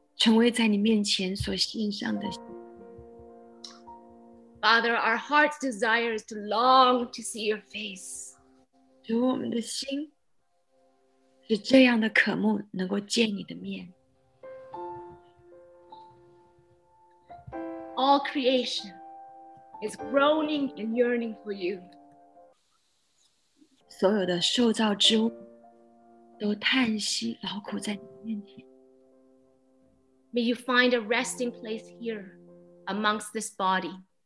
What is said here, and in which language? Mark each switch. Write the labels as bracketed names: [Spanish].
[Chinese] 我们所要的渴慕成为在你面前所献上的 [English] Father, our heart's desire is to long to see your face. [Chinese] 主，我们的心是这样的渴慕能够见你的面。 [English] All creation is groaning and yearning for you. [Chinese] 所有的受造之物都叹息劳苦在你面前。 [English] May you find a resting place here amongst this body.